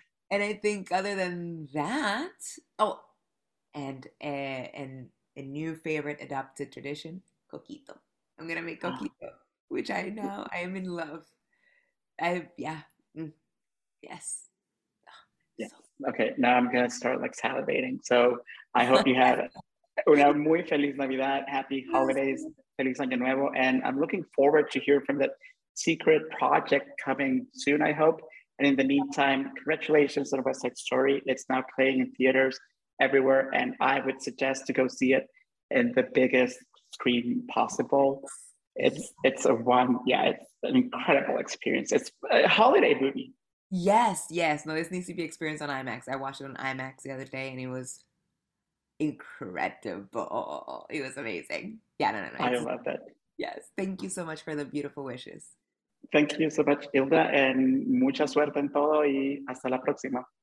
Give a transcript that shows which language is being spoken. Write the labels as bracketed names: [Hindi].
[English] And I think other than that, oh, and a new favorite adopted tradition, coquito. I'm going to make coquito, which I know I am in love. Yes. Okay, now I'm going to start like salivating. So I hope you have [Spanish] una muy feliz Navidad, [English] happy holidays, [Spanish] feliz año nuevo. [English] And I'm looking forward to hear from that secret project coming soon, I hope. And in the meantime, congratulations on West Side Story. It's now playing in theaters everywhere. And I would suggest to go see it in the biggest screen possible. It's an incredible experience. It's a holiday movie. Yes. No, this needs to be experienced on IMAX. I watched it on IMAX the other day, and it was incredible. It was amazing. Yeah, no. I love that. Yes. Thank you so much for the beautiful wishes. Thank you so much, [Spanish] Hilda, and mucha suerte en todo, y hasta la próxima.